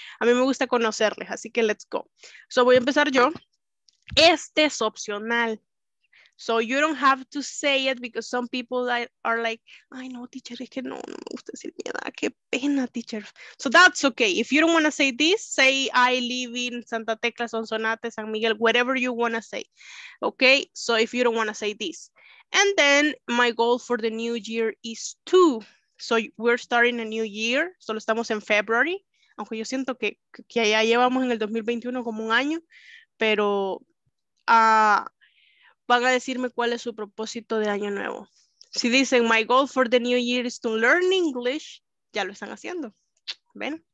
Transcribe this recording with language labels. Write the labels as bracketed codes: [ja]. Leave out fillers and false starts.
[es] A mí me gusta conocerles, así que [en] let's go. [es] So, voy a empezar yo. Este es opcional. [en] So you don't have to say it because some people that are like, [es] ay no, teacher, es que no me gusta decir mi edad, qué pena, teacher. [en] So that's okay. If you don't want to say this, say I live in Santa Tecla, Sonsonate, San Miguel, whatever you want to say. Okay, so if you don't want to say this. And then my goal for the new year is two. So we're starting a new year, [es] solo estamos en [en] February. [es] Aunque yo siento que ya llevamos en el 2021 como un año, pero... van a decirme cuál es su propósito de año nuevo. Si dicen, [en] my goal for the new year is to learn English, [es] ya lo están haciendo. ¿Ven?